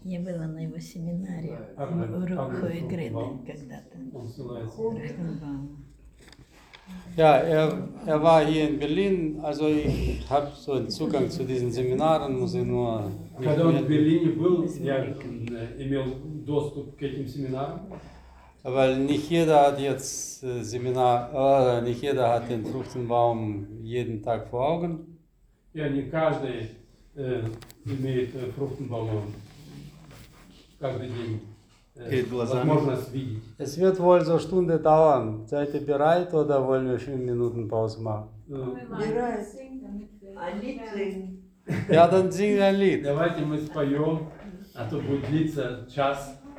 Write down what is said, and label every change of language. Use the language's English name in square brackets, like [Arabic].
[Russian] Я была на его семинаре в Рухой Грене когда-то. Он ссылается. [German] Ja, er war hier in Berlin, also ich habe so einen Zugang zu diesen Seminaren, muss ich nur... [Russian] Когда он в Берлине был, я имел доступ к этим семинарам. [German] Weil nicht jeder hat jetzt Seminar, nicht jeder hat den Fruchtenbaum jeden Tag vor Augen. [Russian] Ja, не каждый имеет Fruchtenbaum каждый день. [German] Es wird wohl so eine Stunde dauern. Seid ihr bereit oder wollen wir 5 Minuten Pause machen? Bereit. Ein Lied singen. Ja, dann singen wir ein Lied. [Russian] Давайте мы споем, а то будет длиться час.